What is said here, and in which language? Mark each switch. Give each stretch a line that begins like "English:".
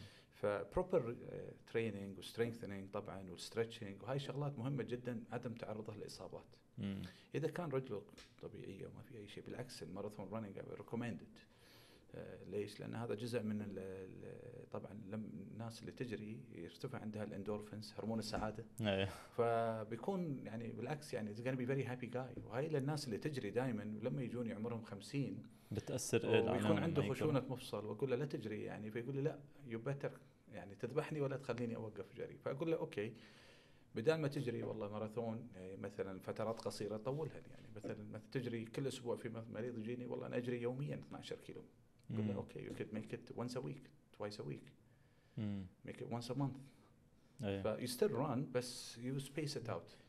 Arabic: فبروبر تريننج وسترينثنينج طبعا والستريتشنج وهي شغلات مهمه جدا عدم تعرضه للاصابات. إذا كان رجله طبيعية وما في أي شيء بالعكس الماراثون رانينج ريكومندد. ليش؟ لأن هذا جزء من الـ طبعا الناس اللي تجري يرتفع عندها الاندورفينز هرمون السعادة. فبيكون يعني بالعكس يعني
English: it's gonna be very happy guy.
Arabic: وهي للناس اللي تجري دائما ولما يجوني عمرهم 50 بتأثر ويكون عنده خشونة مفصل وأقول له لا تجري يعني فيقول لي لا
English: you better
Arabic: يعني تذبحني ولا تخليني أوقف جري. فأقول له أوكي بدال ما تجري والله ماراثون مثلا فترات قصيرة طولها يعني مثلا ما تجري كل أسبوع في مريض يجيني والله أنا أجري يوميا 12 كيلو قلنا أوكي
English: you could make it once a week twice a week make it once a month but you still run
Arabic: بس
English: you space it out